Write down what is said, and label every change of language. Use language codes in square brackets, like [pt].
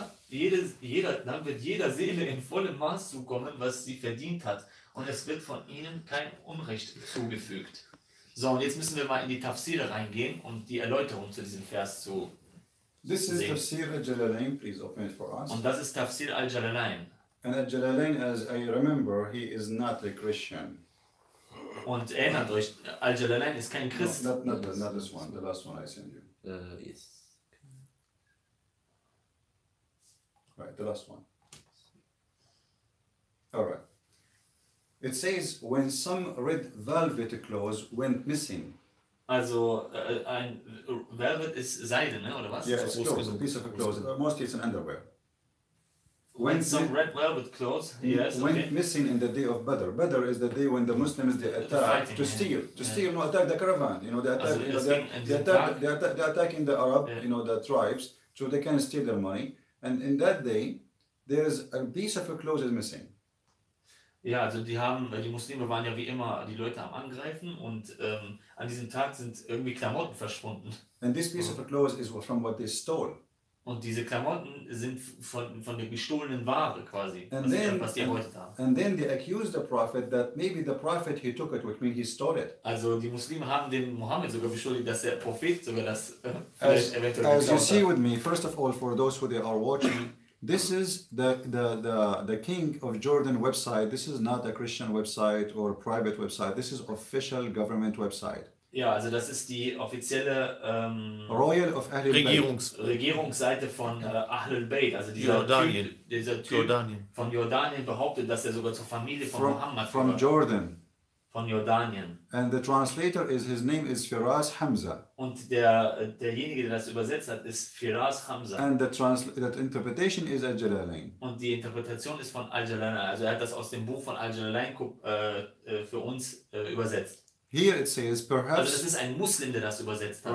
[de] Dann wird jeder Seele in vollem Maß zukommen, was sie verdient hat, und es wird von ihnen kein Unrecht zugefügt. So, und jetzt müssen wir mal in die Tafsir reingehen, um die Erläuterung zu diesem Vers zu [en] This [de] sehen. [en] Is Tafsir al-Jalalain, please open it for us. [de] Und das ist Tafsir al-Jalalain. [en] And al-Jalalain, as I remember, he is not a Christian. [de] Und erinnert euch, al-Jalalain ist kein Christ. [en] No, not this one, the last one I send you. Yes. Right, the last one. All right. It says when some red velvet clothes went missing. [de] Also ein velvet ist Seide, ne, oder was? [en] Yes, it's clothes, a piece of clothes. Mostly it's an underwear. When some red velvet clothes went missing in the day of Badr. Badr is the day when the Muslims they attack fighting, to steal, attack the caravan. You know, they attack the Arab, yeah. You know, the tribes, so they can steal their money. And in that day, there is a piece of a clothes missing. [de] Ja, also die Muslime waren ja wie immer die Leute am Angreifen und an diesem Tag sind irgendwie Klamotten verschwunden. [en] And this piece of clothes is from what they stole. [de] Und diese Klamotten sind von der gestohlenen Ware quasi, [en] and then, [de] was die erbeutet haben. [en] And then they accused the prophet that maybe the prophet he took it, which means he stole it. [de] Also die Muslime haben den Mohammed sogar beschuldigt, dass der Prophet sogar das vielleicht eventuell geklaut hat. [en] As you see with me, first of all, for those who they are watching, this is the King of Jordan website. This is not a Christian website or private website. This is official government website. [de] Ja, also das ist die offizielle [en] Royal of Ahlul [de] Regierungs- Regierungsseite von Ahlul Bayt. Also dieser Typ Jordanien. Von Jordanien behauptet, dass er sogar zur Familie von Muhammad gehört. [en] From Jordan. [de] Von Jordanien. [en] And the translator is, his name is Firas Hamza. [de] Und derjenige, der das übersetzt hat, ist Firas Hamza. [en] And the that interpretation is Al-Jalalain. [de] Und die Interpretation ist von Al-Jalalain. Also er hat das aus dem Buch von Al-Jalalain für uns übersetzt. [en] Here it says, perhaps, [de] also das ist ein Muslim, der das übersetzt hat.